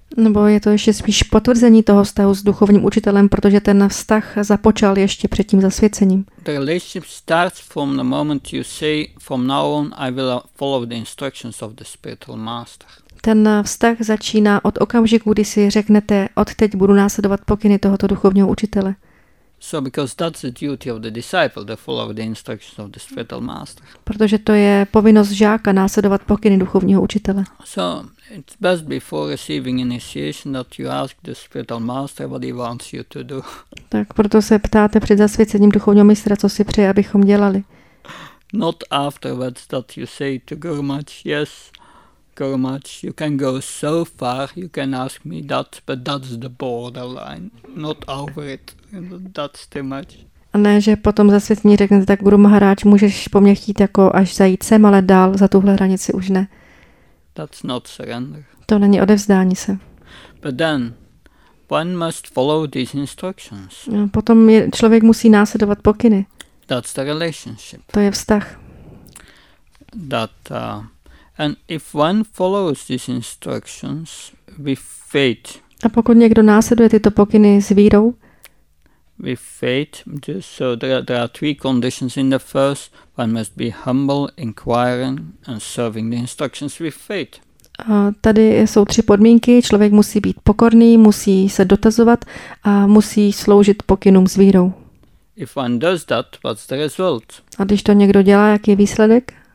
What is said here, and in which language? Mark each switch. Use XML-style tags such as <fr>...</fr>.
<cs>Nebo je to ještě spíš potvrzení toho vztahu s duchovním učitelem, protože ten vztah započal ještě před tím zasvěcením.</cs> <en>The relationship starts from the moment you say, from now on I will follow the instructions of the spiritual master.</en> <cs>Ten vztah začíná od okamžiku, kdy si řeknete, odteď budu následovat pokyny tohoto duchovního učitele.</cs> <en>So because that's the duty of the disciple, to follow the instructions of the spiritual master.</en> <cs>Protože to je povinnost žáka následovat pokyny duchovního učitele.</cs> <en>So it's best before receiving initiation that you ask the spiritual master what he wants you to do.</en> <cs>Tak proto se ptáte před zasvěcením duchovního mistra, co si přeje, abychom dělali.</cs> <en>Not afterwards that you say to Guru Maharaj, yes, Guru Maharaj, you can go so far, you can ask me that, but that's the borderline, not over it. That's too much.</en> <cs>A ne, že potom zasvěcení řeknete, tak Guru Maharaj, můžeš po mně chtít jako až zajít sem, ale dál za tuhle hranici už ne.</cs> <en>That's not surrender.</en> <cs>To není odevzdání se.</cs> <en>But then, one must follow these instructions.</en> <cs>No, potom je, člověk musí následovat pokyny.</cs> <en>That's the relationship.</en> <cs>To je vztah.</cs> <en>And if one follows these instructions with faith.</en> <cs>A pokud někdo následuje tyto pokyny s vírou,</cs> <en>with faith, so there are three conditions. In the first, one must be humble, inquiring, and serving the instructions with faith.</en> <cs>Tady jsou tři podmínky. Člověk musí být pokorný, musí se dotazovat a musí sloužit pokynům s vírou.</cs> <en>If one does that, what's the result?</en> <cs>A když to někdo dělá, jaký je výsledek?</cs>